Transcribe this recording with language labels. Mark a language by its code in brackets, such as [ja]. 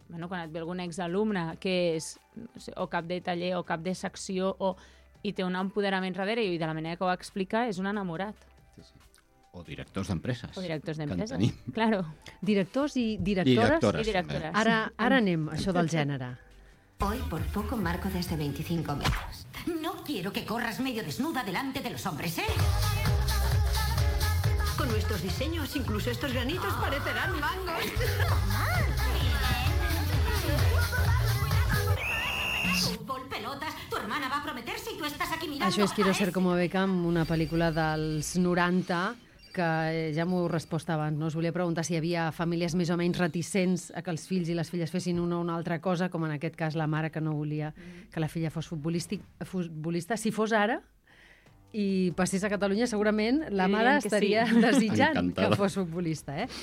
[ca] bueno, quan et ve algun exalumne que és o cap de taller o cap de secció o, i té un empoderament darrere i de la manera que ho explica és un enamorat. O directors d'empreses. O directors d'empreses, claro. Directors i directores. Directores. I directores. Ara anem, això del gènere. [es] Hoy por poco marco desde 25 metros. No quiero que corras medio desnuda delante de los hombres, ¿eh? Con nuestros diseños, incluso estos granitos parecerán mangos. Fútbol, pelotas, tu hermana va a prometer si tú estás aquí mirando. [ca] Això és Quiero ser como Beckham, una pel·lícula dels 90... que ja m'ho respost abans, no? Us volia preguntar si hi havia famílies més o menys reticents a que els fills i les filles fessin una o una altra cosa, com en aquest cas la mare que no volia que la filla fos futbolista. Si fos ara i passés a Catalunya, segurament la mare estaria desitjant que fos futbolista. Eh?